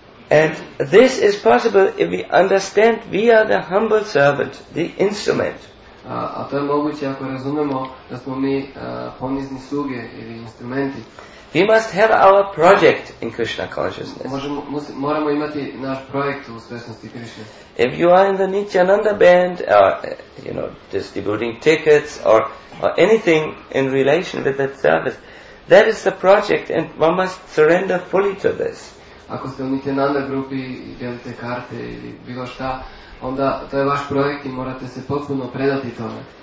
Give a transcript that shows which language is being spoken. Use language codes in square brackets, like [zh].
[en] And this is possible if we understand we are the humble servant, the instrument. [sr] A to je moguće ako razumemo da smo mi ponizni sluge ili instrumenti. [en] We must have our project in Krishna consciousness. [sr] Moramo imati naš projekt u svjesnosti Krishna. [en] If you are in the Nityananda band, you know, distributing tickets or anything in relation with that service, that is the project and one must surrender fully to this. [sr] Ako ste u Nityananda grupi i delite karte ili bilo šta, onda to je vaš projekt i morate se potpuno predati tome.